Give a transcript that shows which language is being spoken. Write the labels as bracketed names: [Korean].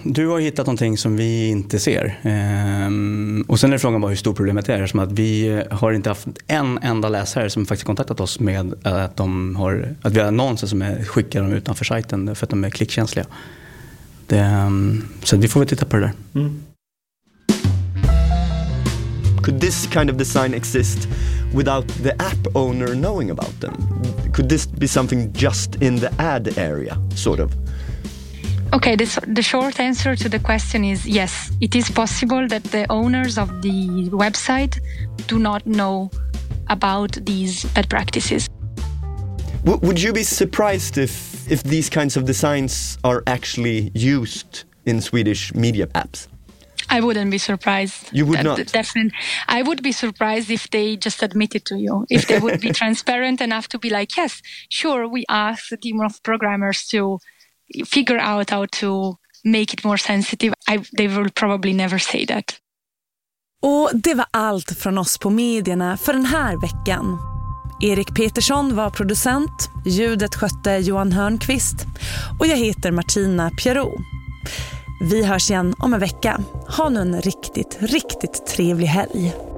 [Swedish] Du har hittat någonting som vi inte ser. Och sen är frågan bara hur stor problemet är. Som att vi har inte haft en enda läsare som faktiskt kontaktat oss med att de har, att vi har annonser som skickar dem utanför sajten för att de är klickkänsliga. Så vi får väl titta på det där. Mm. [English] Could this kind of design exist without the app owner knowing about them? Could this be something just in the ad area, sort of? Okay, the short answer to the question is yes, it is possible that the owners of the website do not know about these bad practices. Would you be surprised if these kinds of designs are actually used in Swedish media apps? I wouldn't be surprised. You would not? Definitely. I would be surprised if they just admit it to you. If they would be transparent enough to be like, yes, sure, we asked the team of programmers to... figure out how to make it more sensitive. They will probably never say that. [Swedish] Och det var allt från oss på medierna för den här veckan. Erik Petersson var producent, ljudet skötte Johan Hörnqvist och jag heter Martina Pierrot. Vi hörs igen om en vecka. Ha nu en riktigt, riktigt trevlig helg.